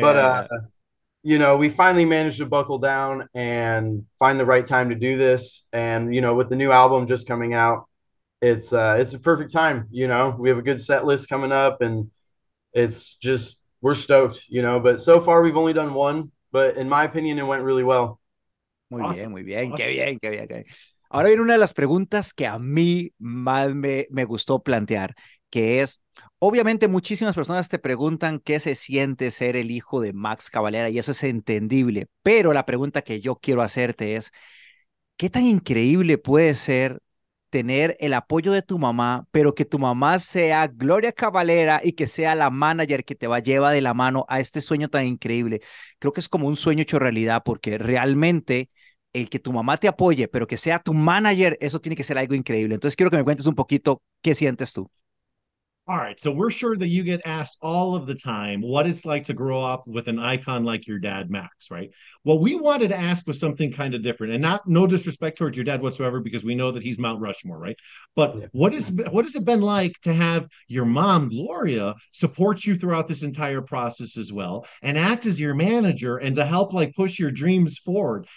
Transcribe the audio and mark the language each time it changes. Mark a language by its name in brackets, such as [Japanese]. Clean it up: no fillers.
[English] But, you know, we finally managed to buckle down and find the right time to do this. And, you know, with the new album just coming out, it's a perfect time. You know, we have a good set list coming up and it's just, we're stoked, you know, but so far we've only done one, but in my opinion, it went really well. [Spanish] Muy bien. Ahora viene una de las preguntas que a mí más me gustó plantear, que es, obviamente muchísimas personas te preguntan qué se siente ser el hijo de Max Cavalera, y eso es entendible, pero la pregunta que yo quiero hacerte es, ¿qué tan increíble puede ser tener el apoyo de tu mamá, pero que tu mamá sea Gloria Cavalera y que sea la manager que te va a llevar de la mano a este sueño tan increíble? Creo que es como un sueño hecho realidad, porque realmente el que tu mamá te apoye, pero que sea tu manager, eso tiene que ser algo increíble. Entonces quiero que me cuentes un poquito qué sientes tú. [English] All right, so we're sure that you get asked all of the time what it's like to grow up with an icon like your dad, Max, right? What we wanted to ask was something kind of different, and not no disrespect towards your dad whatsoever, because we know that he's Mount Rushmore, right? But what has it been like to have your mom, Gloria, support you throughout this entire process as well, and act as your manager and to help, like, push your dreams forward?